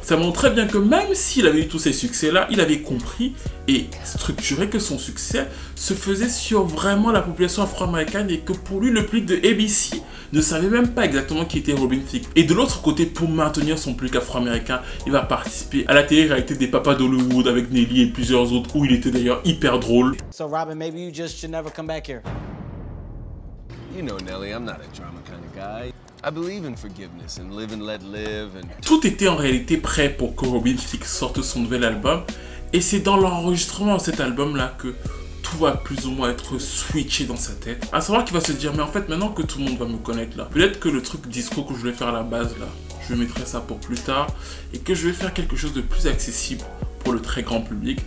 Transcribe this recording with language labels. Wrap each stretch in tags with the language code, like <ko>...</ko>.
<fr>Ça montrait bien que même s'il avait eu tous ces succès-là, il avait compris et structuré que son succès se faisait sur vraiment la population afro-américaine et que pour lui, le public de ABC ne savait même pas exactement qui était Robin Thicke. Et de l'autre côté, pour maintenir son public afro-américain, il va participer à la télé-réalité des Papas d'Hollywood avec Nelly et plusieurs autres où il était d'ailleurs hyper drôle.</fr> <en>So Robin, maybe you just should never come back here. You know, Nelly, I'm not a drama kind of guy. I believe in forgiveness and live and let live. And...</en> <fr>Tout était en réalité prêt pour que Robin Thicke sorte son nouvel album. Et c'est dans l'enregistrement de cet album-là que tout va plus ou moins être switché dans sa tête. À savoir qu'il va se dire, mais en fait, maintenant que tout le monde va me connaître là, peut-être que le truc disco que je voulais faire à la base là, je mettrai ça pour plus tard et que je vais faire quelque chose de plus accessible pour le très grand public.</fr>